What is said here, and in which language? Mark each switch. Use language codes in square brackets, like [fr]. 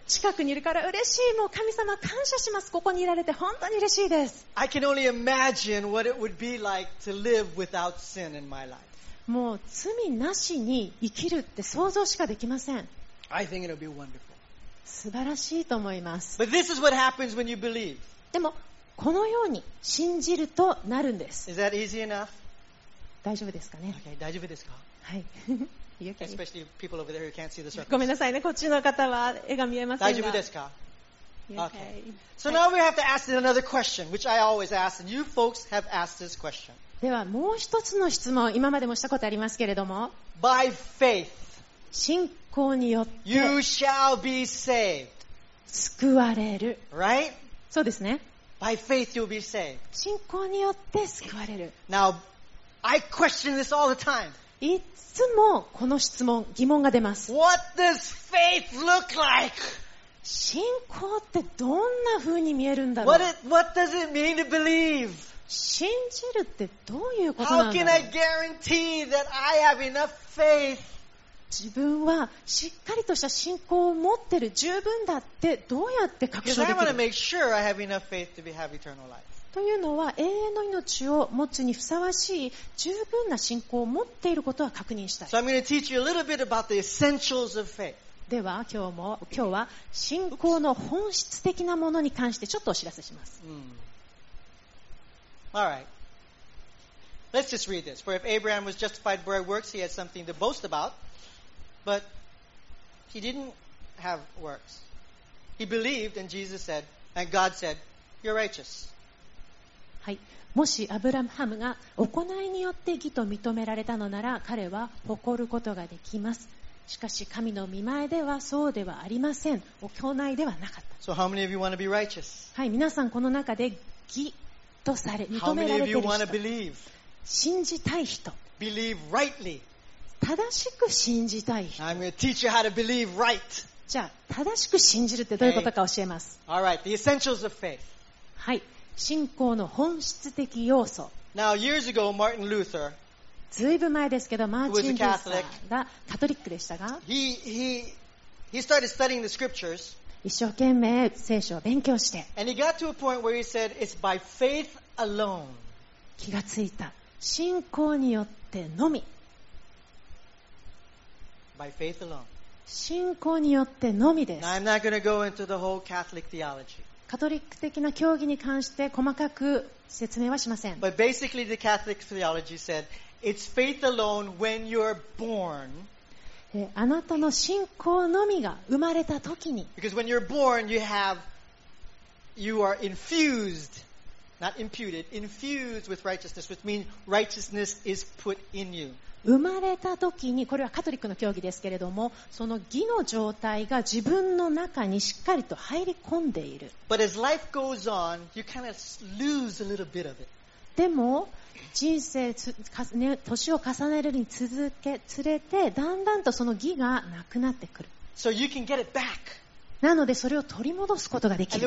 [ja] 近くにいるから嬉しい。もう神様感謝します。ここにいられて本当に嬉しいです。 [en] I can only imagine what it would be like to live without sin in my life. [ja] もう罪なしに生きるって想像しかできません。 [en] I think it'll be wonderful. [ja] 素晴らしいと思います。 [en] But this is what happens when you believe. [ja] でも、このように信じるとなるんです。 [en] Is that easy enough? [ja] 大丈夫ですかね。 Okay, 大丈夫ですか。はい。 [en] Especially people over there who can't see the [ja] circle. ごめんなさいね、こっちの方は絵が見えませんが。大丈夫ですか。 [en] Okay. So now we have to ask another question, which I always ask, and you folks have asked this question. [ja] ではもう一つの質問、今までもしたことありますけれども。 [en] By faith. [ja] 信仰によって [en] You shall be saved. [ja] 救われる。 [en] Right? [ja] そうですね。 [en] By faith you'll be saved. [ja] 信仰によって救われる。 [en] Now, I question this all the time. [ja] いつもこの質問、疑問が出ます。 [en] What does faith look like? [ja] 信仰ってどんな風に見えるんだろう [en] what does it mean to believe? [ja] 信じるってどういうことなんだろう [en] How can I guarantee that I have enough faith? [ja] 自分はしっかりとした信仰を持ってる十分だってどうやって確証できる？ [en] I want to make sure I have enough faith to have eternal life. [ja] というのは永遠の命を持つにふさわしい十分な信仰を持っていることは確認したい。 [en] So I'm going to teach you a little bit about the essentials of faith. [ja] では今日は信仰の本質的なものに関してちょっとお知らせします。 [en] Mm. All right. Let's just read this. For if Abraham was justified by works, he had something to boast about. But he didn't have works. He believed, and Jesus said, and God said, "You're righteous." [ja] はい。もしアブラハムが行いによって義と認められたのなら、彼は誇ることができます。しかし神の御前ではそうではありません。行いではなかった。 [en] So how many of you want to be righteous? [ja] はい。皆さんこの中で義とされ認められている [en] 人。How many of you want to believe? [ja] 信じたい人。 [en] Believe rightly. [ja] 正しく信じたい。 [en] I'm going to teach you how to believe right. [ja] じゃあ、正しく信じるってどういうことか教えます。 [en] Okay. All right. The essentials of faith. [ja] はい。信仰の本質的要素。 [en] Now, years ago, Martin Luther, [ja] ずいぶん前ですけど、マーチン・ルーサーがカトリックでしたが、 [en] he started studying the scriptures, [ja] 一生懸命聖書を勉強して、 [en] and he got to a point where he said, it's by faith alone. [ja] 気がついた。信仰によってのみ。 [en] By faith alone. [ja] 信仰によってのみです。 [en] Now, I'm not going to go into the whole Catholic theology. [ja] カトリック的な教義に関して細かく説明はしません。 [en] But basically, the Catholic theology said, it's faith alone when you're born. [ja] あなたの信仰のみが生まれた時に。 [en] Because when you're born, you are infused, not imputed, infused with righteousness, which means righteousness is put in you. [ja] 生まれた時にこれはカトリックの教義ですけれどもその義の状態が自分の中にしっかりと入り込んでいる [en] But as life goes on, you kind of lose a little bit of it. [ja] でも人生年を重ねるに続けつれてだんだんとその義がなくなってくる [en] So you can get it back. [ja] なのでそれを取り戻すことができる